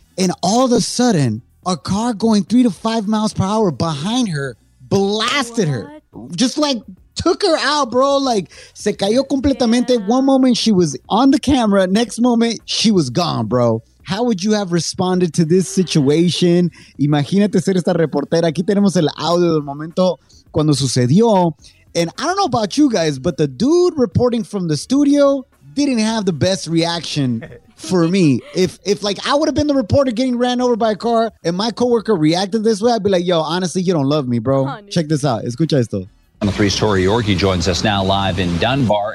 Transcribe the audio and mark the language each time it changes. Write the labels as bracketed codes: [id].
[en] And all of a sudden, a car going 3 to 5 miles per hour behind her blasted her. Just like... took her out, bro. Like, [es] se cayó completamente. [en] Yeah. One moment she was on the camera, next moment she was gone, bro. How would you have responded to this situation? [es] Imagínate ser esta reportera. Aquí tenemos el audio del momento cuando sucedió. [en] And I don't know about you guys, but the dude reporting from the studio didn't have the best reaction for me. If like I would have been the reporter getting ran over by a car and my coworker reacted this way, I'd be like, yo, honestly, you don't love me, bro. Check this out. [es] Escucha esto. [en] Channel 3's Tori Yorke joins us now live in Dunbar.